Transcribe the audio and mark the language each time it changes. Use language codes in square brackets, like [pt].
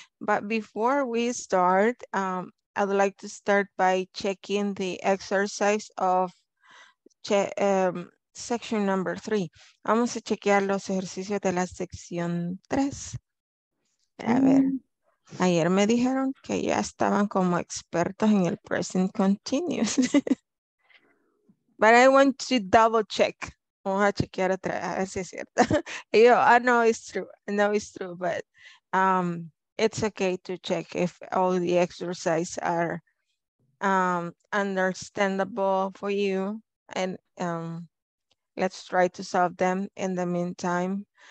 [en] But before we start, I'd like to start by checking the exercise of section number 3. [es] Vamos a chequear los ejercicios de la sección 3. A ver, ayer me dijeron que ya estaban como expertos en el present continuous. [en] But I want to double check. [es] Vamos a chequear otra vez, a ver si es cierto. [en] Yo, no, it's true. No, it's true, but it's okay to check if all the exercises are understandable for you. And let's try to solve them in the meantime.